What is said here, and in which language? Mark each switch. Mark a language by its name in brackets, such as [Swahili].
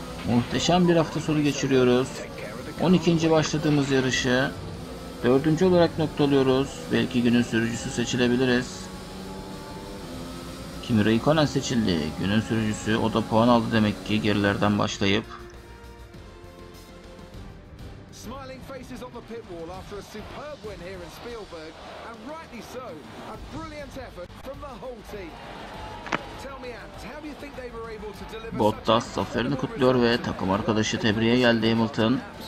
[Turkish] Muhteşem bir hafta sonu geçiriyoruz. 12. başladığımız yarışı dördüncü olarak noktalıyoruz. Belki günün sürücüsü seçilebiliriz. Kimi Raikkonen seçildi. Günün sürücüsü, o da puan aldı demek ki gerilerden başlayıp. [English] races on the pit wall after a superb win here in Spielberg, and rightly so, a brilliant effort from the whole team. Tell me, Ant, how do you think they were able to deliver? [Turkish] Bottas zaferini kutluyor ve takım arkadaşı tebriğe geldi Hamilton.